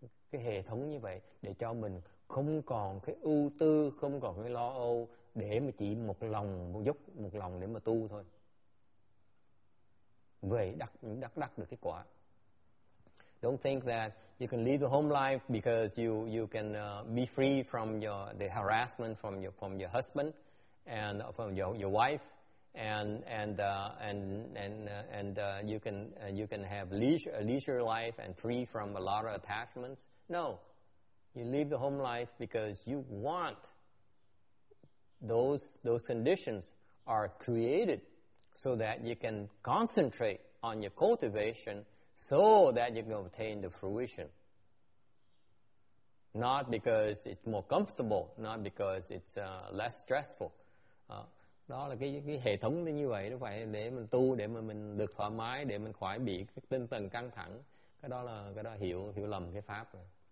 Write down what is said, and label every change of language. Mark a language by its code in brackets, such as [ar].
[vi] Cái hệ thống như vậy để cho mình không còn cái ưu tư, không còn cái lo âu, để mà chỉ một lòng một dốc một lòng để mà tu thôi. Vậy đắc được cái quả. [en] Don't think that you can leave the home life because you can be free from the harassment from your husband and from your wife and you can have a leisure life and free from a lot of attachments. No, you leave the home life because you want those conditions are created so that you can concentrate on your cultivation so that you can obtain the fruition. Not because it's more comfortable, not because it's less stressful. [vi] Đó là cái hệ thống như vậy, đúng vậy, để mình tu, để mà mình được thoải mái, để mình khỏi bị cái tinh thần căng thẳng. Cái đó hiểu lầm cái pháp rồi.